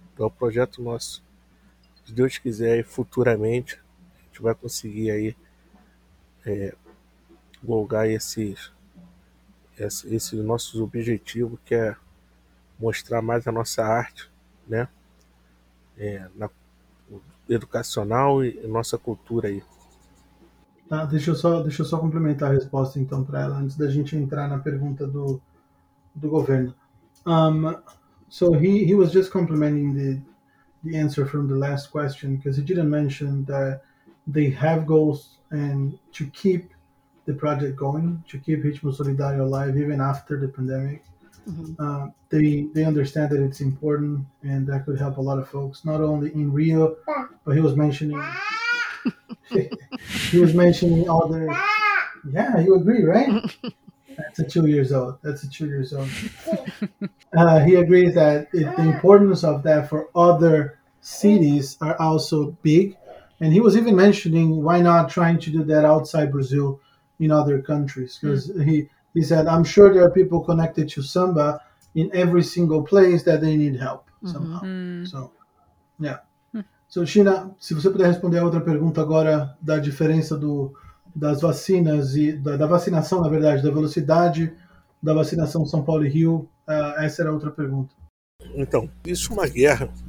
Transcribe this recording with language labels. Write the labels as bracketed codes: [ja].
[pt] É o projeto nosso. Se Deus quiser, futuramente, a gente vai conseguir aí galgar esses nossos objetivos, que é mostrar mais a nossa arte, né? Na educacional e nossa cultura aí. Tá, deixa eu só complementar a resposta então para ela, antes da gente entrar na pergunta do governo. [en] So he was just complimenting the answer from the last question, because he didn't mention that they have goals and to keep the project going, to keep Ritmo Solidário alive even after the pandemic. They understand that it's important and that could help a lot of folks, not only in Rio, but he was mentioning other. Yeah, you agree, right? That's a two years old. He agrees that the importance of that for other cities are also big. And he was even mentioning, why not trying to do that outside Brazil in other countries? Because he said, I'm sure there are people connected to Samba in every single place that they need help somehow. So, yeah. So, [pt] Sheena, se você puder responder a outra pergunta agora da diferença do das vacinas e da vacinação, na verdade, da velocidade da vacinação São Paulo e Rio? Essa era outra pergunta. Então, isso é uma guerra.